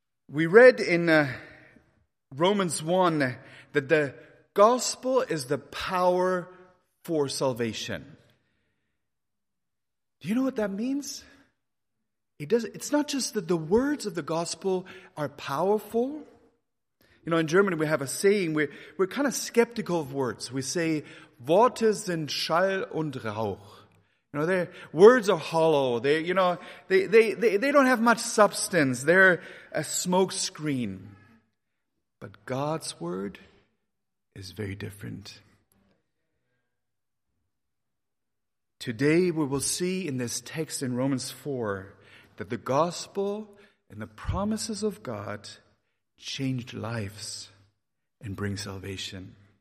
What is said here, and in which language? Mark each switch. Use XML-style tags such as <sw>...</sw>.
<en>We read in Romans 1 that the gospel is the power for salvation. Do you know what that means? It's not just that the words of the gospel are powerful. You know, in Germany we have a saying, we're kind of skeptical of words. We say,</en> <de>Worte sind Schall und Rauch.</de> <en>You know, their words are hollow. They don't have much substance. They're a smoke screen. But God's word is very different. Today we will see in this text in Romans 4 that the gospel and the promises of God change lives and bring salvation.</en>